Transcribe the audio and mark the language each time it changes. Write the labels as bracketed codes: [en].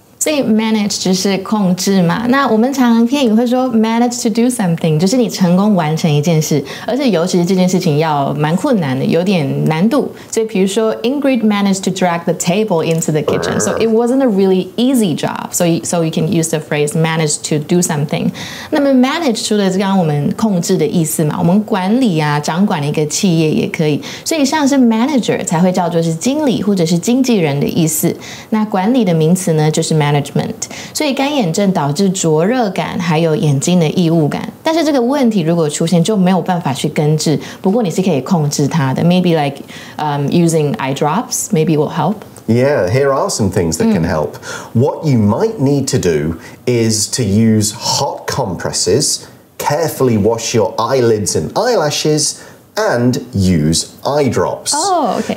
[zh] 所以 manage 就是控制嘛。那我们常常片语会说 [en] manage to do something， [zh] 就是你成功完成一件事，而且尤其是这件事情要蛮困难的，有点难度。所以比如说 [en] Ingrid managed to drag the table into the kitchen， so it wasn't a really easy job. So you can use the phrase manage to do something. [zh] 那么 manage 除了是刚我们控制的意思嘛，我们管理啊，掌管一个企业也可以。所以像是 manager 才会叫做是经理或者是经纪人的意思。那管理的名词呢，就是management， 所以干眼症导致灼热感，还有眼睛的异物感。但是这个问题如果出现，就没有办法去根治。不过你是可以控制它的 [en] ，maybe like using eye drops, maybe will help. Yeah, here are some things that can help. What you might need to do is to use hot compresses, carefully wash your eyelids and eyelashes. And use eye drops. Oh, okay.